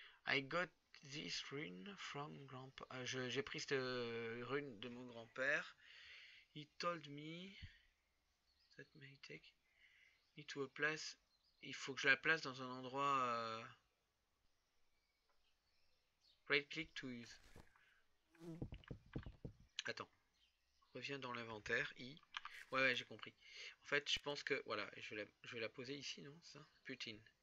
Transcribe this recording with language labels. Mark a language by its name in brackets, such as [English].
[English] I got this rune from grandpa. [French] J'ai pris cette rune de mon grand-père. [English] He told me that may take me to a place. [French] Il faut que je la place dans un endroit. [English] Right click to use. [French] Attends. Reviens dans l'inventaire. I. Ouais, j'ai compris. En fait, je pense que. Voilà, je vais la poser ici, non? Ça? Putain.